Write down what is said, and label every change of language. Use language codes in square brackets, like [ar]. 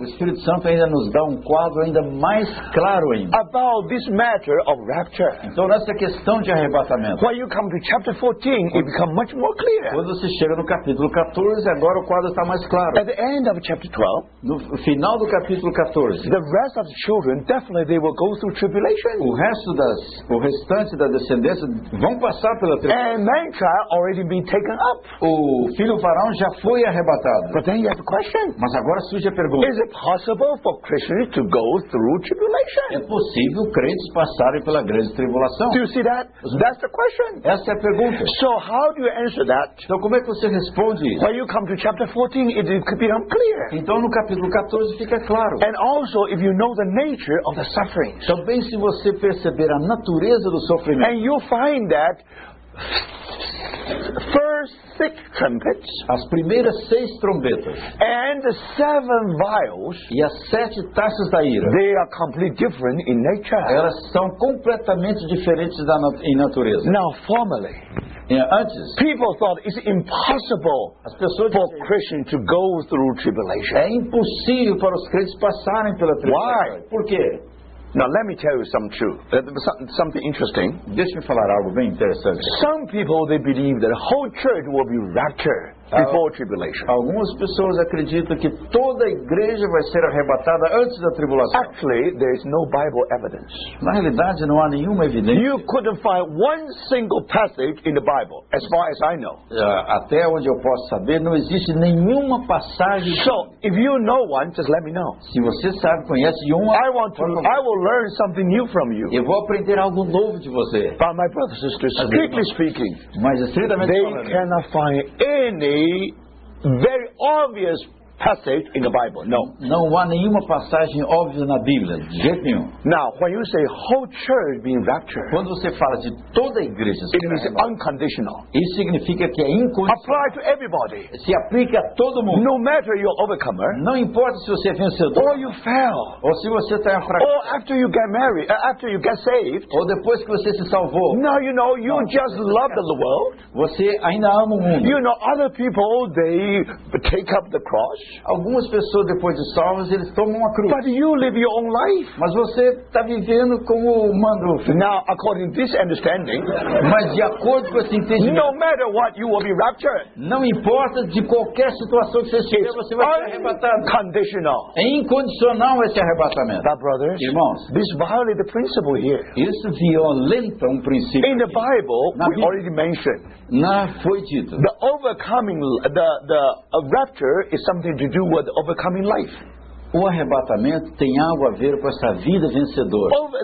[pt] O Espírito Santo ainda nos dá um quadro ainda mais claro ainda. [en] About this matter of rapture. [pt] Então nessa questão de arrebatamento. [en] When you come to chapter 14, it becomes much more clear. [pt] Quando você chega no capítulo 14, agora o quadro está mais claro. [en] At the end of chapter 12, [pt] no final do capítulo 14. [en] The rest of the children, definitely they will go through tribulation. [pt] O restante da descendência vão passar pela tribulação. [en] And mankind already been taken up. [pt] O filho varão já foi arrebatado. [en] But then you have a question. [pt] Mas agora Agora surge a pergunta. [en] Is it possible for Christians to go through tribulation? [pt] É possível crentes passarem pela grande tribulação? [en] Do you see that? That's the question. [pt] Essa é a pergunta. [en] So how do you answer that? [pt] Então como é que você responde isso? [en] When you come to chapter 14, it could become clear. [pt] Então no capítulo 14 fica claro. [en] And also if you know the nature of the suffering. [pt] Também se você perceber a natureza do sofrimento. [en] And you find that first six trumpets, [pt] as primeiras seis trombetas, [en] and the seven vials, [pt] e as sete taças da ira, [en] they are completely different in nature. [pt] Elas são completamente diferentes da em natureza. [en] Now, formerly, [pt] antes, [en] people thought it's impossible [pt] as pessoas [en] for Christians to go through tribulation. [pt] É impossível para os crentes passarem pela tribulação. [en] Why? [pt] Por quê? [en] Now let me tell you something interesting. [pt] Deixa-me falar algo bem interessante. [en] Some people they believe that a whole church will be raptured before tribulation. [pt] Algumas pessoas acreditam que toda a igreja vai ser arrebatada antes da tribulação. [en] Actually, there is no Bible evidence. [pt] Na realidade, não há nenhuma evidência. [en] You couldn't find one single passage in the Bible, as far as I know. [pt] Até onde eu posso saber, não existe nenhuma passagem. [en] So, if you know one, just let me know. [pt] Se você sabe, conhece um, [en] I will learn something new from you. [pt] Eu vou aprender algo novo de você. [en] But my brothers and sisters, strictly speaking, [pt] mas estritamente [en] they [pt] falando, [en] cannot find any very obvious passage in the Bible. No. [pt] Não há nenhuma passagem óbvia na Bíblia. Jeito nenhum. [en] Now, when you say whole church being raptured, [pt] quando você fala de toda a igreja, [en] it means unconditional. [pt] Isso significa que é incondicional. [en] Apply to everybody. [pt] Se aplica a todo mundo. [en] No matter your overcomer. [pt] Não importa se você é vencedor. [en] Or you fail. [pt] Ou se você tem fracasso. [en] Or after you get married, after you get saved. [pt] Ou depois que você se salvou. [en] Now you know you just love the world. [pt] Você ainda ama o mundo. [en] You know other people they take up the cross. [pt] Algumas pessoas depois de salvas eles tomam uma cruz. [en] But you live your own life. [pt] Mas você está vivendo como manda. [en] Now according to this understanding, [pt] mas de acordo com esse entendimento, [en] no matter what, you will be raptured. [pt] Não importa de qualquer situação que você esteja, você vai ser arrebatado. [en] Conditional. [pt] É incondicional esse arrebatamento. [en] But brothers, [pt] irmãos, [en] this violates the principle here. [pt] Isso violenta um princípio. [en] In the Bible, we already mentioned. [pt] Na foi dito. [en] The overcoming the rapture is something to do with overcoming life. [pt] O arrebatamento tem algo a ver com essa vida vencedora.